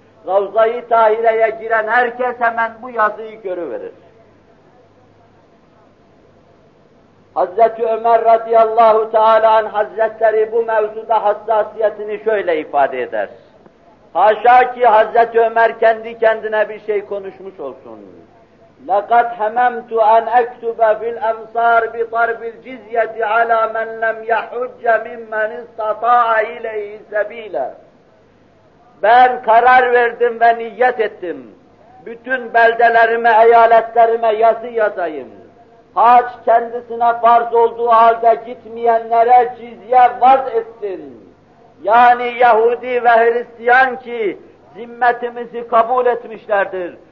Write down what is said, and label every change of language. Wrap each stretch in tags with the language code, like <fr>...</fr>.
<tr>Ravza-i Tahire'ye giren herkes hemen bu yazıyı görüverir. Hazreti Ömer radıyallahu teala an hazretleri bu mevzuda hassasiyetini şöyle ifade eder. Haşa ki Hazreti Ömer kendi kendine bir şey konuşmuş olsun.</tr> <ar>لَقَدْ هَمَمْتُ أَنْ أَكْتُبَ فِي الْأَمْصَارِ بِطَرْبِ الْجِزْيَةِ عَلَى مَنْ لَمْ يَحُجَّ مِمَّنِ اسْتَطَاعَ اِلَيْهِ سَب۪يلًا</ar> <tr>Ben karar verdim ve niyet ettim. Bütün beldelerime, eyaletlerime yazı yazayım. Hac kendisine farz olduğu halde gitmeyenlere cizye vaz etsin. Yani Yahudi ve Hristiyan ki zimmetimizi kabul etmişlerdir.</tr>